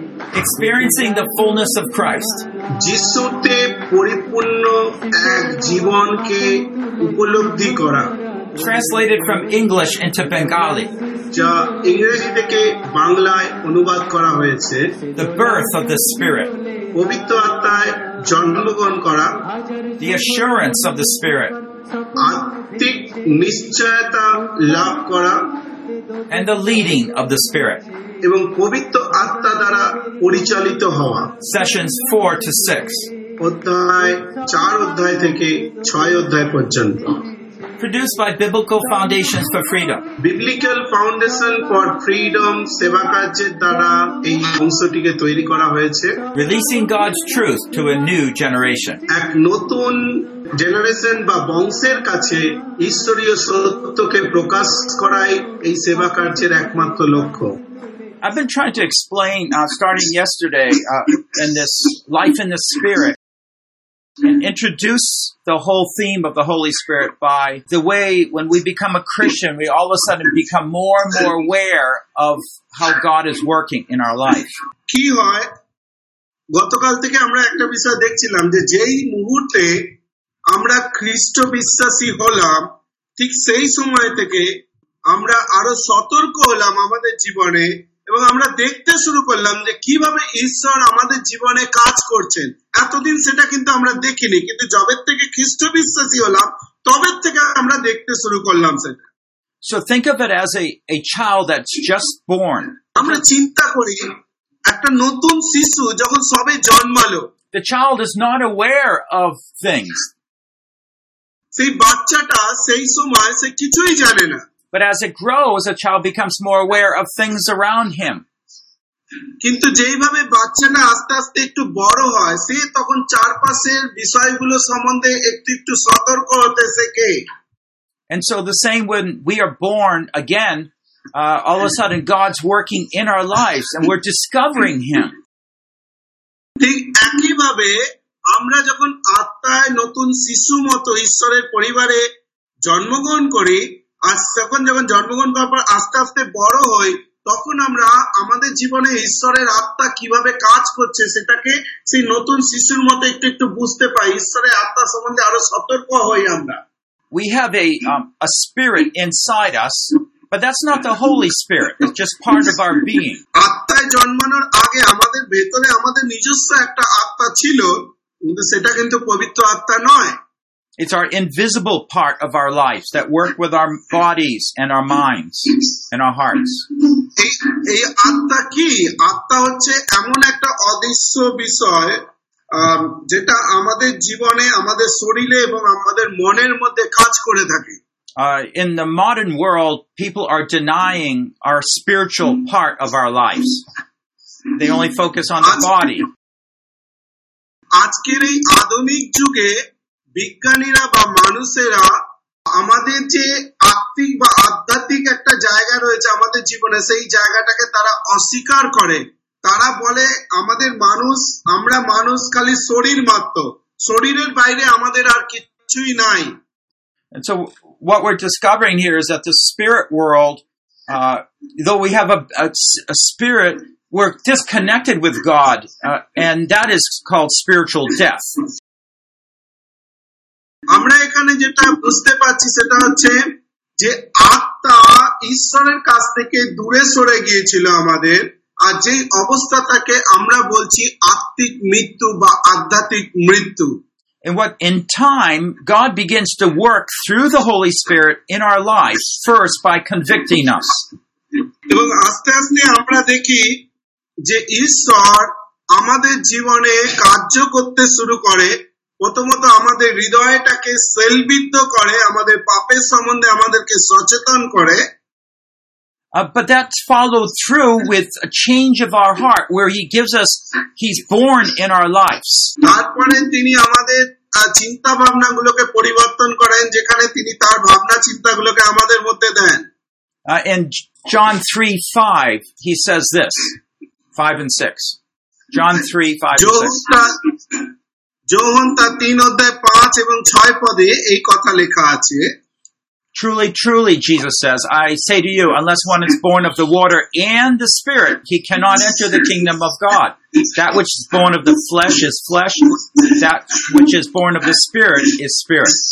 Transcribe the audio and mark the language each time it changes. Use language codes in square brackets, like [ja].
[en] Experiencing the fullness of Christ. [bn] যিশুতে পরিপূর্ণ এক জীবনকে উপলব্ধি করা. [en] Translated from English into Bengali. [bn] যা ইংরেজি থেকে বাংলায় অনুবাদ করা হয়েছে. [en] The birth of the Spirit. [bn] পবিত্র আত্মায় জন্মগ্রহণ করা. [en] The assurance of the Spirit. [bn] আত্মিক নিশ্চয়তা লাভ করা. [en] And the leading of the Spirit. [bn] এবং পবিত্র আত্মা দ্বারা পরিচালিত হওয়া. [en] Sessions 4 to 6. [bn] অধ্যায় 4 অধ্যায় থেকে 6 অধ্যায় পর্যন্ত. [en] Produced by Biblical Foundations for Freedom. [bn] Biblical Foundation for Freedom সেবাকার্যের দ্বারা এই অংশটিকে তৈরি করা হয়েছে. [en] Releasing God's truth to a new generation. [bn] এক নতুন জেনারেশন বা বংশের কাছে ঈশ্বরীয় সত্যকে প্রকাশ করাই এই সেবাকার্যের একমাত্র লক্ষ্য. [en] I've been trying to explain starting yesterday in this life in the Spirit. And introduce the whole theme of the Holy Spirit by the way when we become a Christian, we all of a sudden become more and more aware of how God is working in our life. [bn] কি হয়? গতকাল থেকে আমরা একটা বিষয় দেখছিলাম যে যেই মুহূর্তে আমরা খ্রিস্ট বিশ্বাসী হলাম ঠিক সেই সময় থেকে আমরা আরো সতর্ক হলাম আমাদের জীবনে এবং আমরা দেখতে শুরু করলাম যে কিভাবে ঈশ্বর আমাদের জীবনে কাজ করছেন। এতদিন সেটা কিন্তু আমরা দেখিনি, কিন্তু যবের থেকে খ্রিস্ট বিশ্বাসী হলাম তবের থেকে আমরা দেখতে শুরু করলাম সেটা। [en] So think of it as a child that's just born. [bn] আমরা চিন্তা করি একটা নতুন শিশু যখন সবে জন্মালো। [en] The child is not aware of things. [bn] সেই বাচ্চাটা সেই সময় সে কিছুই জানে না। [en] But as it grows, a child becomes more aware of things around him. [bn] কিন্তু যেইভাবে বাচ্চাটা আস্তে আস্তে একটু বড় হয় সে তখন চারপাশের বিষয়গুলো সম্বন্ধে একটু একটু সতর্ক হতে শেখে. [en] And so the same when we are born again, all of a sudden God's working in our lives and we're discovering him. [bn] ঠিক একইভাবে আমরা যখন আত্মায় নতুন শিশু মতো ঈশ্বরের পরিবারে জন্মগ্রহণ করি আর যখন যখন জন্মগ্রহণ করার পর আস্তে আস্তে বড় হই তখন আমরা আমাদের জীবনে ঈশ্বরের আত্মা কিভাবে কাজ করছে সেটাকে সেই নতুন শিশুর মতো একটু একটু বুঝতে পাই, ঈশ্বরের আত্মা সম্বন্ধে আরো সতর্ক হই আমরা. [en] We have a spirit inside us, but that's not the Holy Spirit, it's just part of our being. [bn] আত্মায় জন্মানোর আগে আমাদের ভেতরে আমাদের নিজস্ব একটা আত্মা ছিল, কিন্তু সেটা কিন্তু পবিত্র আত্মা নয়। [en] It's our invisible part of our lives that work with our bodies and our minds and our hearts. [bn] এই আত্মা কি? আত্মা হচ্ছে এমন একটা অদৃশ্য বিষয় যেটা আমাদের জীবনে আমাদের শরীরে এবং আমাদের মনের মধ্যে কাজ করে থাকে. [en] In the modern world, people are denying our spiritual part of our lives. They only focus on the body. [bn] আজকের এই আধুনিক যুগে বিজ্ঞানীরা বা মানুষেরা আমাদের যে আত্মিক বা আধ্যাত্মিক একটা জায়গা রয়েছে আমাদের জীবনে সেই জায়গাটাকে তারা অস্বীকার করে। তারা বলে আমাদের মানুষ আমরা মানুষ খালি শরীর মাত্র, শরীরের বাইরে আমাদের আর কিছুই নাই। [en] And so what we're discovering here is that the spirit world, though we have a spirit, we're disconnected with God, and that is called spiritual death. [bn] আমরা এখানে যেটা বুঝতে পারছি সেটা হচ্ছে যে আত্মা ঈশ্বরের কাছ থেকে দূরে সরে গিয়েছিল আমাদের, আর যেই অবস্থাটাকে আমরা বলছি আত্মিক মৃত্যু বা আধ্যাত্মিক মৃত্যু। [en] And what in time God begins to work through the Holy Spirit in our lives first by convicting us. [bn] এবং আস্তে আস্তে আমরা দেখি যে ঈশ্বর আমাদের জীবনে কার্য করতে শুরু করে, প্রথমত আমাদের হৃদয়টাকে শৈলবিদ্ধ করে, আমাদের পাপের সম্বন্ধে আমাদেরকে সচেতন করে। [en] But that's followed through with a change of our heart where he's born in our lives. [bn] তারপরে তিনি আমাদের চিন্তা ভাবনা গুলোকে পরিবর্তন করেন, যেখানে তিনি তার ভাবনা চিন্তা গুলোকে আমাদের মধ্যে দেন। [en] In John 3:5 he says this, 5 and 6. John 3:5-6. [bn] যোহন তার 3 অধ্যায় 5 এবং 6 পদে এই কথা লেখা আছে, [en] Truly, truly, Jesus says, I say to you, unless one is born of the water and the Spirit, he cannot enter the kingdom of God. That which is born of the flesh is flesh. That which is born of the Spirit is spirit.